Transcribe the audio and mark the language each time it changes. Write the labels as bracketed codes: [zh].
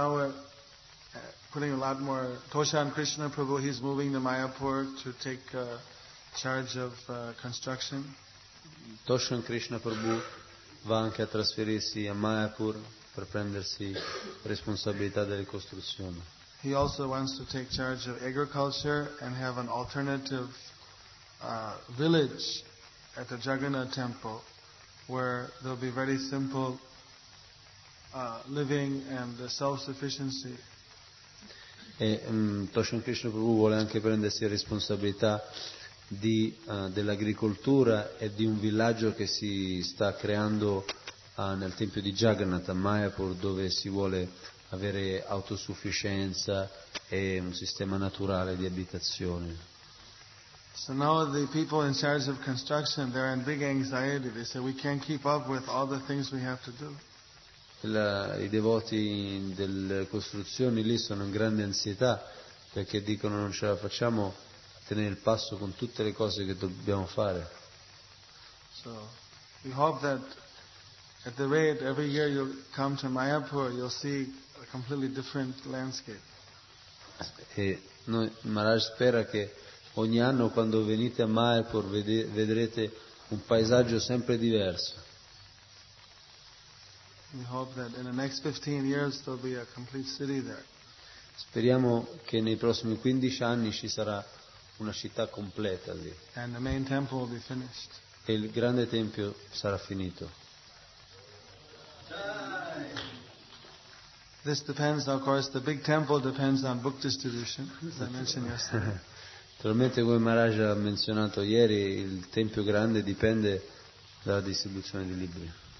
[en] Now we're putting a lot more. Toshan Krishna Prabhu, he's moving to Mayapur to take charge of construction. [it] Toshan Krishna Prabhu va anche a trasferirsi a Mayapur per prendersi responsabilità delle costruzioni. [en] He also wants to take charge of agriculture and have an alternative village at the Jagannath Temple, where there'll be very simple living and self-sufficiency. [it] E Toshan Krishna Prabhu vuole anche prendersi responsabilità di dell'agricoltura e di un villaggio che si sta creando nel tempio di Jagannath a Mayapur, dove si vuole avere autosufficienza e un sistema naturale di abitazione. [en] So now the people in charge of construction, they're in big anxiety. They say, we can't keep up with all the things we have to do. [it] I devoti delle costruzioni lì sono in grande ansietà perché dicono non ce la facciamo a tenere il passo con tutte le cose che dobbiamo fare. [en] So, we hope that at the rate every year you'll come to Mayapur, you'll see a completely different landscape. [it] E noi, Maharaj spera che ogni anno quando venite a Mayapur vedrete un paesaggio sempre diverso. [en] We hope that in the next 15 years there'll be a complete city there. [it] Speriamo che nei prossimi 15 anni ci sarà una città completa lì. [en] And the main temple will be finished. [it] E il grande tempio sarà finito. [en] This depends, of course, the big temple depends on book distribution, as I mentioned yesterday. [it] Naturalmente, come Maharaj ha menzionato ieri, il tempio grande dipende dalla distribuzione di libri.